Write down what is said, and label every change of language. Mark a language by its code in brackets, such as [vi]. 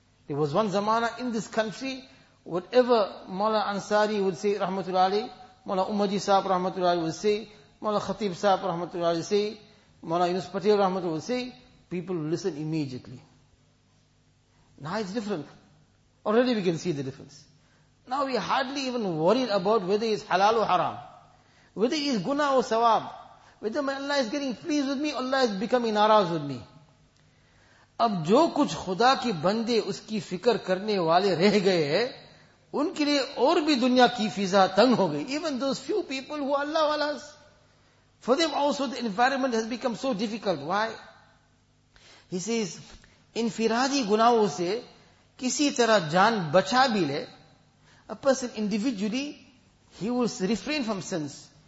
[en] There was one zamana in this country, whatever Mawla Ansari would say, Rahmatullah Ali, Mawla Umaji Sahib Rahmatullah Ali would say, Mawla Khatib Sahib Rahmatullah Ali would say, Mawla Yunus Patel Rahmatullah would say, people would listen immediately. Now it's different. Already we can see the difference. Now we hardly even worried about whether it's halal or haram, whether it's guna or sawab, whether my Allah is getting pleased with me, Allah is becoming naraz with me. [ur] اب جو کچھ خدا کی بندے اس کی فکر کرنے والے رہ گئے ہیں ان کے لئے اور بھی دنیا کی فضا تنگ ہو گئی. [en] Even those few people who are Allah walas, for them also the environment has become so difficult. Why? He says, [ur] انفرادی گناہوں سے کسی طرح جان بچا بھی لے, [en] a person individually, he will refrain from sins.